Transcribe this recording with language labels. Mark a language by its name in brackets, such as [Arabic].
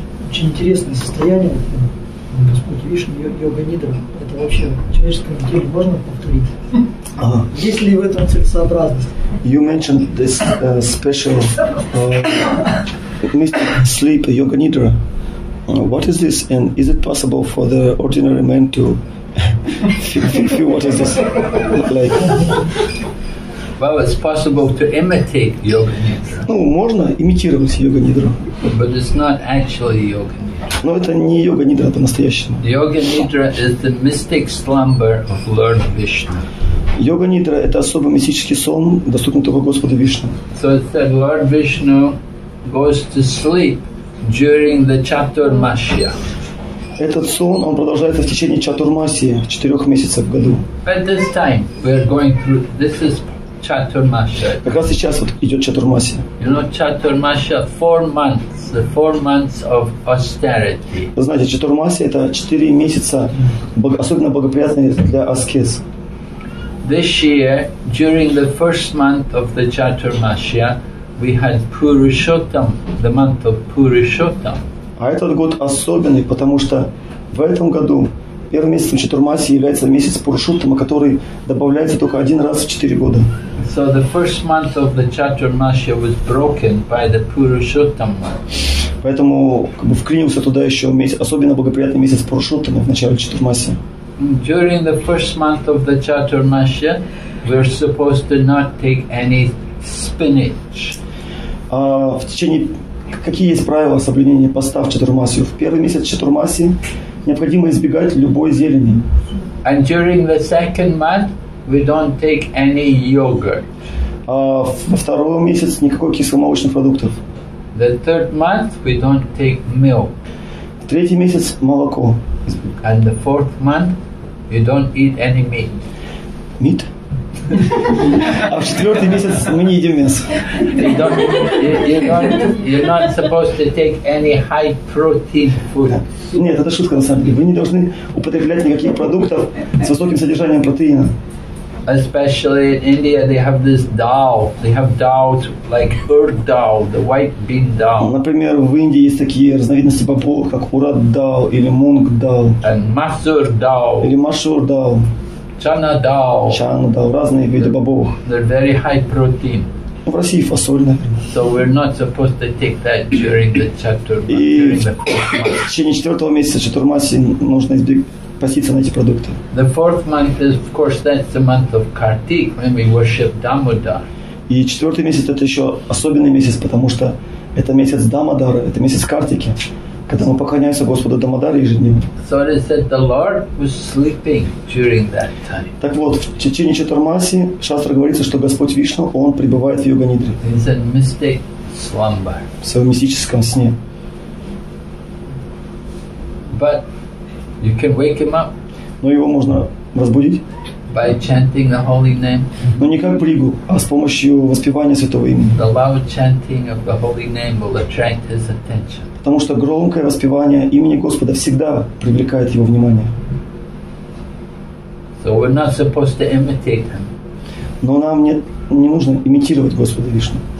[Russian] Очень интересное состояние Господь Вишну, йога нидра. Это вообще в человеческом теле можно повторить? Есть ли в этом целесообразность? [English] You mentioned this special mystic sleep, yoga nidra. What is this, and is it possible for the ordinary man to feel what is this like? Well, it's possible to imitate yoga nidra. [Russian] Ну, можно имитировать йога нидру. [English] But it's not actually yoga nidra. [Russian] Но это не йога нидра по-настоящему. [English] Yoga nidra is the mystic slumber of Lord Vishnu. [Russian] Йога нидра это особый мистический сон, доступный только Господу Вишну. [English] So it said Lord Vishnu goes to sleep during the Chaturmasya. [Russian] Этот сон, он продолжается в течение Чатурмасии, четырех месяцев в году. [English] But this time we are going through. This is Chaturmasya. [Russian] Как раз сейчас вот идет Чатурмасия. [English] You know Chaturmasya, 4 months, the 4 months of austerity. [Russian] Вы знаете, Чатурмасия это 4 месяца, особенно благоприятные для аскез. [English] This year, during the first month of the Chaturmasya, we had Purushottam, the month of Purushottam. [Russian] А этот год особенный, потому что в этом году первым месяцем Чатурмасии является месяц Пурушоттама, который добавляется только один раз в 4 года. [English] So the first month of the Chaturmasya was broken by the Purushottam month. [Russian] Поэтому как бы вклинился туда еще месяц, особенно благоприятный месяц Пурушоттама в начале Чатурмасии. [English] During the first month of the Chaturmasya, we're supposed to not take any spinach. [Russian] В течение какие есть правила соблюдения поста в Чатурмасию? В первый месяц Чатурмасии необходимо избегать любой зелени. [English] And during the second month, we don't take any yogurt. [Russian] Во второй месяц никакой кисломолочных продуктов. [English] The third month, we don't take milk. [Russian] В третий месяц молоко. [English] And the fourth month, you don't eat any meat. Meat? [Russian] А в четвертый месяц мы не едим мясо. [English] You're not supposed to take any high protein food. [Russian] Нет, это шутка на самом деле. Вы не должны употреблять никаких продуктов с высоким содержанием протеина. [English] Especially in India, they have this dal. They have dals like urd dal, the white bean dal. [Russian] Например, в Индии есть такие разновидности бобовых, как урад дал или мунг дал. [English] And масур дал. [Russian] Или масур дал. Чана дал. Чана дал. Разные виды бобовых. [English] They're very high protein. [Russian] В России фасоль, например. [English] So we're not supposed to take that during the Chaturmasya. [Russian] И в течение четвертого месяца Чатурмаси нужно избегать. Поститься на эти продукты. [English] The fourth month is, of course, that's the month of Kartik, when we worship Damodar. [Russian] И четвертый месяц это еще особенный месяц, потому что Это месяц Дамодара, это месяц Картики, когда мы поклоняемся Господу Дамодаре ежедневно. Так вот, в течение Чатурмаси Шастра говорится, что Господь Вишну, Он пребывает в йога-нидре. В своем мистическом сне. [English] But you can wake him up. [Russian] Но его можно разбудить. [English] By chanting the holy name. [Russian] Но не как бригу, а с помощью воспевания святого имени. [English] The loud chanting of the holy name will attract his attention. [Russian] Потому что громкое воспевание имени Господа всегда привлекает его внимание. [English] So we're not supposed to imitate him. Но нам не нужно имитировать Господа Вишну.